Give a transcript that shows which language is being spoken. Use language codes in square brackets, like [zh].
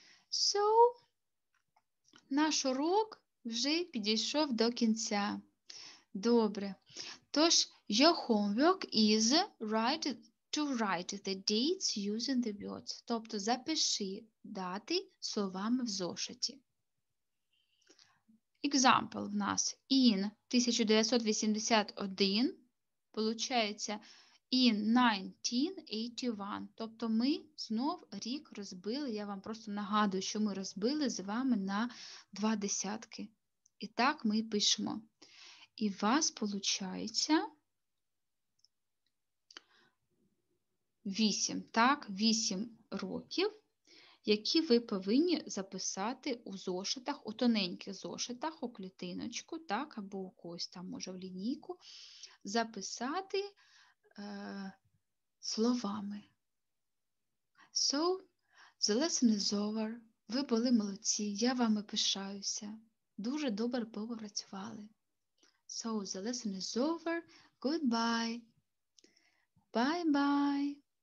[uk] So, наш урок вже підійшов до кінця. Добре. [en] Тож, your homework is to write the dates using the words. [uk] Тобто, запиши дати словами в зошиті. Example в нас. In 1981, виходить, in 1981. Тобто, ми знов рік розбили. Я вам просто нагадую, що ми розбили з вами на два десятки. І так ми пишемо. І у вас виходить... 8, так, 8 років, які ви повинні записати у зошитах, у тоненьких зошитах, у клітиночку, так, або у когось там, може, в лінійку, записати словами. [en] So, the lesson is over. [uk] Ви були молодці, я вами пишаюся. Дуже добре попрацювали. [en] So, the lesson is over. Goodbye. Bye-bye.